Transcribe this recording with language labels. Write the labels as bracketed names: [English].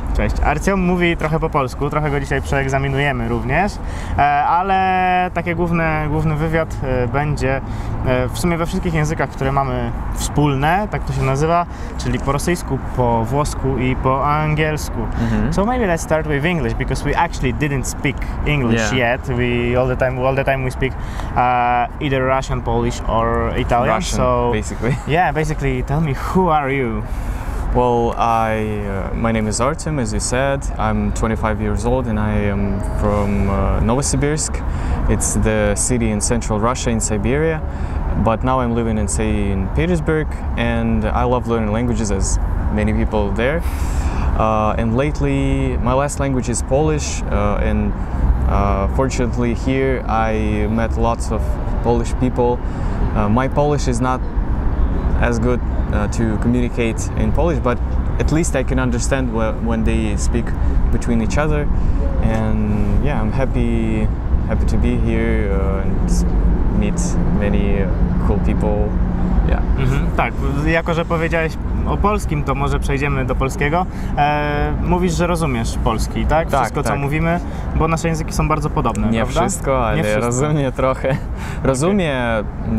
[Polish] Cześć. Arciom mówi trochę po polsku, trochę go dzisiaj przeegzaminujemy również, ale taki główny wywiad będzie w sumie we wszystkich językach, które mamy wspólne, tak to się nazywa, czyli po rosyjsku, po włosku i po angielsku. Mm-hmm. [English] So maybe let's start with English, because we actually didn't speak English yet. We speak either Russian, Polish or Italian. Russian, so, basically. Yeah, basically, tell me, who are you? Well, my name is Arciom, as you said. I'm 25 years old and I am from Novosibirsk. It's the city in central Russia, in Siberia. But now I'm living in, say, in Petersburg, and I love learning languages, as many people there. And lately, my last language is Polish, and fortunately here I met lots of Polish people. My Polish is not as good to communicate in Polish, but at least I can understand when they speak between each other. And yeah, I'm happy to be here and meet many cool people. Yeah. Mm-hmm. [Polish] Tak, jako że powiedziałeś o polskim, to może przejdziemy do polskiego. Mówisz, że rozumiesz polski, tak? Wszystko, tak, co mówimy, bo nasze języki są bardzo podobne, nie prawda? Wszystko, ale nie wszystko. Rozumiem trochę. Rozumiem, okay.